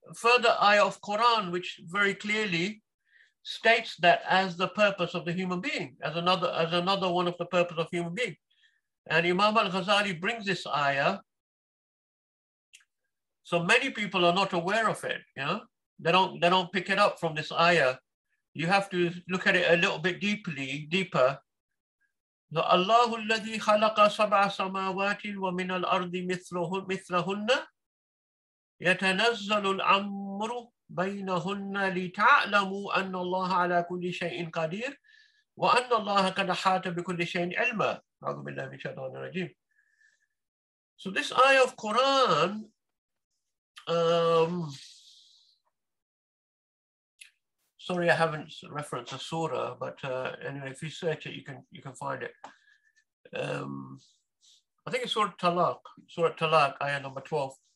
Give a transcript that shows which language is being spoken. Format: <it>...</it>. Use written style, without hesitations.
<en>further ayah of Quran, which very clearly states that as the purpose of the human being, as another one of the purpose of human being. And Imam Al-Ghazali brings this ayah. So many people are not aware of it. You know, they don't pick it up from this ayah. You have to look at it a little bit deeper.</en> <ar>The Allah الذي خلق سبع سماوات ومن الأرض مثلهن يتنزل الأمر بينهن لتعلموا أن الله على كل شيء قدير وأن الله قد حاط بكل شيء علما. أعوذ بالله من الشيطان الرجيم.</ar> <en>So this ayah of Quran sorry, I haven't referenced a surah, but anyway, if you search it, you can find it. I think it's Surah Talaq, ayah number 12.</en>